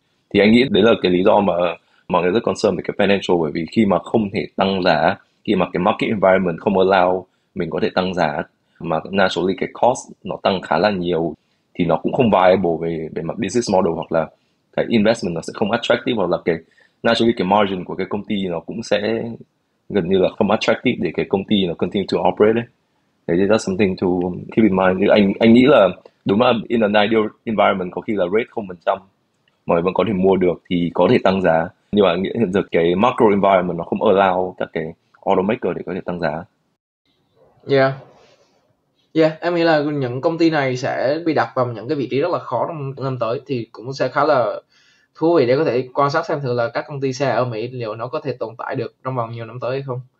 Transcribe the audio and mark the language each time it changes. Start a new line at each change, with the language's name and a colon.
Vietnamese: Thì anh nghĩ đấy là cái lý do mà mọi người rất concern về cái financial, bởi vì khi mà không thể tăng giá, khi mà cái
English: market environment
Vietnamese: không allow mình có thể tăng giá mà naturally cái cost nó tăng khá là nhiều thì nó cũng không viable về mặt
English: business model,
Vietnamese: hoặc là cái investment nó sẽ không attractive, hoặc là cái naturally cái margin của cái công ty nó cũng sẽ gần như là không attractive để cái công ty nó
English: continue to operate
Vietnamese: ấy. Thì
English: that's something to keep in mind.
Vietnamese: Anh nghĩ là đúng là
English: in an ideal environment
Vietnamese: có khi là rate 0% mọi người vẫn có thể mua được thì có thể tăng giá, nhưng mà anh nghĩ hiện giờ cái
English: macro environment
Vietnamese: nó không allow các cái automaker để có thể tăng giá. Yeah, em nghĩ là những công ty này sẽ bị đặt vào những cái vị trí rất là khó trong năm tới, thì cũng sẽ khá là thú vị để có thể quan sát xem thử là các công ty xe ở Mỹ liệu nó có thể tồn tại được trong vòng nhiều năm tới hay không.